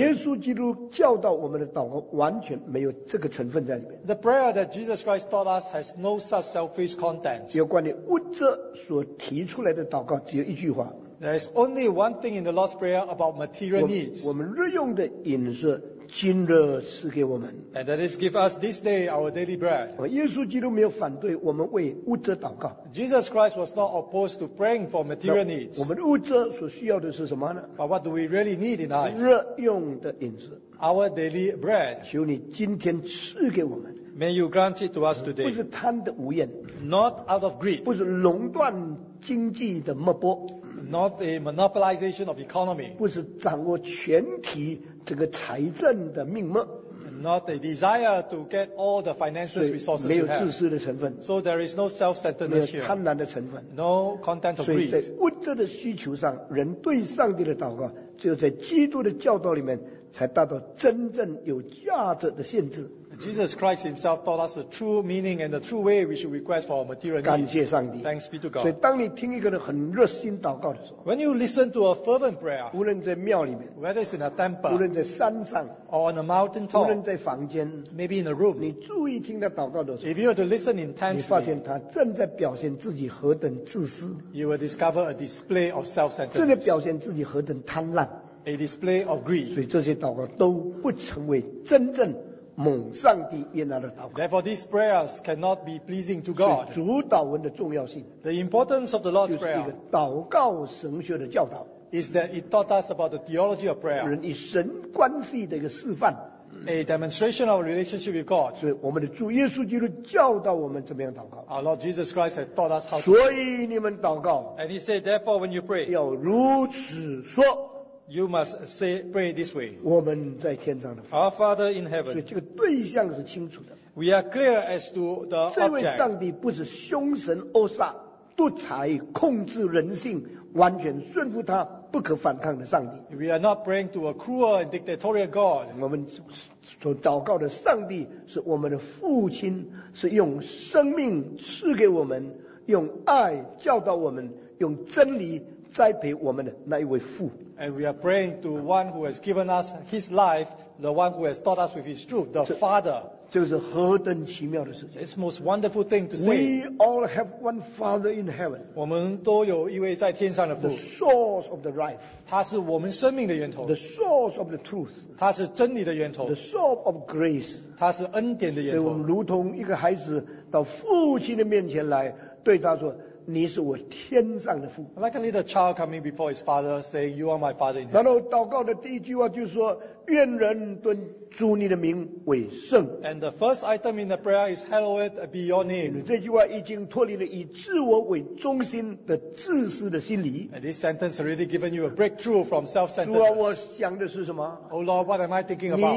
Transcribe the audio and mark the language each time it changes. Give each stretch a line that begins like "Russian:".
Chinese: 耶稣基督教导我们的祷告完全没有这个成分在里面。
English: The prayer that Jesus Christ taught us has no such selfish content.
Chinese: 有关于物质所提出来的祷告只有一句话。
English: There is only one thing in the Lord's Prayer about material needs.
Chinese: 我们日用的饮食今日赐给我们。
English: And that is give us this day our daily bread.
Chinese: 耶稣基督没有反对我们为物质祷告。
English: Jesus Christ was not opposed to praying for material needs.
Chinese: 我们物质所需要的是什么呢？
English: But what do we really need in life?
Chinese: 日用的饮食。
English: Our daily bread.
Chinese: 求你今天赐给我们。
English: May you grant it to us today.
Chinese: 不是贪得无厌。
English: Not out of greed.
Chinese: 不是垄断经济的脉搏。
English: Not a monopolization of economy.
Chinese: 不是掌握全体这个财政的命脉。
English: Not a desire to get all the financial resources you have.
Chinese: 没有自私的成分。
English: So there is no self-centeredness here.
Chinese: 没有贪婪的成分。
English: No content of greed.
Chinese: 所以在物质的需求上，人对上帝的祷告，只有在基督的教导里面，才达到真正有价值的限制。
English: Jesus Christ himself taught us the true meaning and the true way we should request for our material needs.
Chinese: 感谢上帝。
English: Thanks be to God.
Chinese: 所以当你听一个人很热心祷告的时候，
English: When you listen to a fervent prayer,
Chinese: 无论在庙里面，
English: Whether it's in a temple,
Chinese: 无论在山上，
English: Or on a mountaintop,
Chinese: 无论在房间，
English: Maybe in a room,
Chinese: 你注意听他祷告的时候，
English: If you were to listen intensely,
Chinese: 你发现他正在表现自己何等自私，
English: You will discover a display of self-centeredness.
Chinese: 正在表现自己何等贪婪，
English: a display of greed.
Chinese: 所以这些祷告都不成为真正蒙上帝悦纳的祷告。
English: Therefore, these prayers cannot be pleasing to God.
Chinese: 所以主祷文的重要性,
English: the importance of the Lord's Prayer,
Chinese: 就是一个祷告神学的教导,
English: is that it taught us about the theology of prayer.
Chinese: 人与神关系的一个示范,
English: a demonstration of a relationship with God.
Chinese: 所以我们的主耶稣基督教导我们怎么样祷告。
English: Our Lord Jesus Christ has taught us how to
Chinese: pray. 所以你们祷告,
English: and he said, therefore, when you pray,
Chinese: 要如此说,
English: you must say, pray this way.
Chinese: 我们在天上的父,
English: our Father in heaven.
Chinese: 所以这个对象是清楚的。
English: We are clear as to the object.
Chinese: 这位上帝不是凶神欧撒, 独裁控制人性, 完全顺服他, 不可反抗的上帝。
English: We are not praying to a cruel and dictatorial God.
Chinese: 我们所祷告的上帝, 是我们的父亲, 是用生命赐给我们, 用爱教导我们, 用真理栽培我们的那一位父。
English: And we are praying to one who has given us his life, the one who has taught us with his truth, the Father.
Chinese: 这是何等奇妙的事情。
English: It's the most wonderful thing to say. We all have one Father in heaven.
Chinese: 我们都有一位在天上的父。
English: The source of the life.
Chinese: 他是我们生命的源头。
English: The source of the truth.
Chinese: 他是真理的源头。
English: The source of grace.
Chinese: 他是恩典的源头。所以我们如同一个孩子到父亲的面前来, 对他说, 你是我天上的父。
English: Like a little child coming before his father, saying, you are my father in heaven.
Chinese: 然后祷告的第一句话就是说, 愿人尊主你的名为圣。
English: And the first item in the prayer is, hallowed be your name.
Chinese: 这句话已经脱离了以自我为中心的自私的心理。
English: And this sentence already given you a breakthrough from self-centeredness.
Chinese: 主啊，我想的是什么？
English: Oh Lord, what am I thinking about?